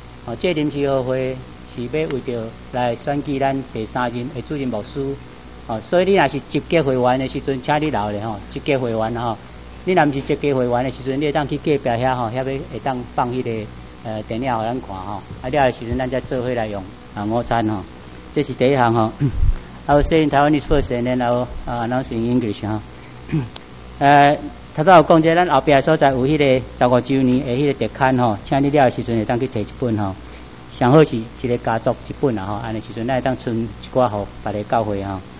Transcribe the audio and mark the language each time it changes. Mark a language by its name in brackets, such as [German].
[Min Nan Chinese] 哦，这临时合会是要为着来选举咱第三任的主任牧师。哦，所以你若是集结会员的时阵，请你留咧吼，集结会员吼。你若不是集结会员的时阵，你会当去隔壁遐吼，遐要会当放迄、那个电影互咱看吼。啊，了时阵咱再做伙来用啊午餐吼。这是第一项吼。 [English] I will say in Taiwanese first, and then I will announce in English 哈。 [Min Nan Chinese] 头先有讲者，咱后壁所在有迄个十五周年诶，迄个特刊吼，请你了时阵会当去摕一本吼，上好是一个家族一本啦吼，安尼时阵咱会当存一寡互别个教会吼。